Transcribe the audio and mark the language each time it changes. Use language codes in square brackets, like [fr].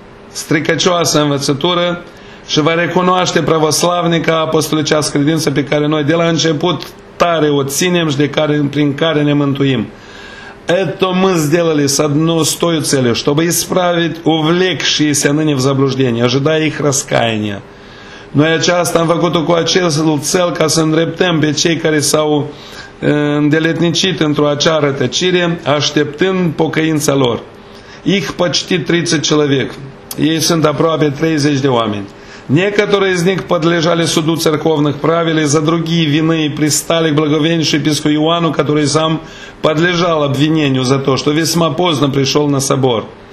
[ro] stricăcioasă învățătură și va recunoaște pravoslavnica apostolicească credință pe care noi de la început tare o ținem și de care, prin care ne mântuim. [ru] Это мы сделали с одной стою целью, чтобы исправить увлекшиеся ныне в заблуждение, ожидая их раскаяния. [ro] Noi aceasta am făcut-o cu acest cel ca să îndreptăm pe cei care s-au îndeletnicit într-o acea rătăcire, așteptând pocăința lor. [ru] Их почти 30 человек. [ro] Ei sunt aproape 30 de oameni. [ru] Некоторые из них подлежали суду церковных правил, за другие вины пристали к благовенчающему епископу Иоанну, который сам подлежал обвинению за то, что весьма поздно пришел на собор.